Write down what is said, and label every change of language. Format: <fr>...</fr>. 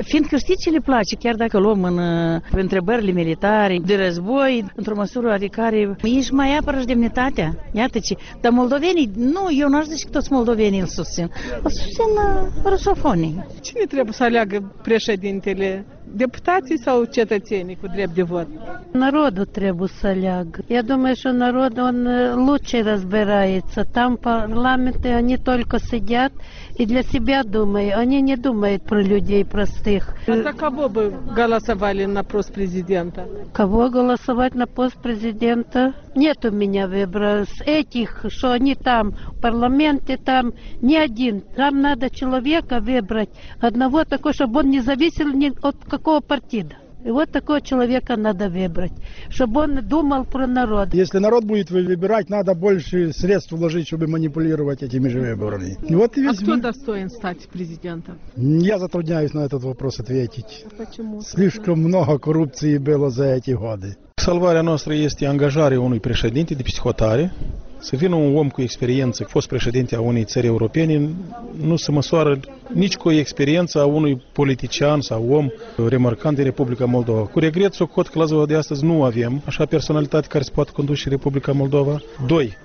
<ro>Fiindcă știți ce le place, chiar dacă luăm în întrebările militare, de război, într-o măsură oarecare, ești mai apără și demnitatea. Iată ce. Dar moldovenii, nu, eu n-aș zice că toți moldovenii îl susțin. Îl susțin rusofonii. Cine trebuie să aleagă președintele? deputații sau cetățenii cu drept de vot?</ro> <uk>Народу треба соляг. Я думаю, що народ он лучше розбирається. Там парламенти вони тільки сидять і для себе думають. Вони не думають про людей простих. А за кого би голосували на пост президента? Кого голосувати на пост президента?</uk> <ru>Нет у меня выбора. С этих, что они там, в парламенте там, ни один. Там надо человека выбрать, одного такого, чтобы он не зависел ни от какого партида. И вот такого человека надо выбрать, чтобы он думал про народ. Если народ будет выбирать, надо больше средств вложить, чтобы манипулировать этими же выборами. Вот и весь... А кто достоин стать президентом? Я затрудняюсь на этот вопрос ответить. А почему? Слишком много коррупции было за эти годы.</ru> <ro>Salvarea noastră este angajarea unui președinte de psihotare. Să vină un om cu experiență, fost președinte a unei țări europene, nu se măsoară nici cu experiența unui politician sau om remarcant din Republica Moldova. Cu regret, socot că la ziua de astăzi nu avem așa personalitate care se poate conduce și Republica Moldova. 2.</ro>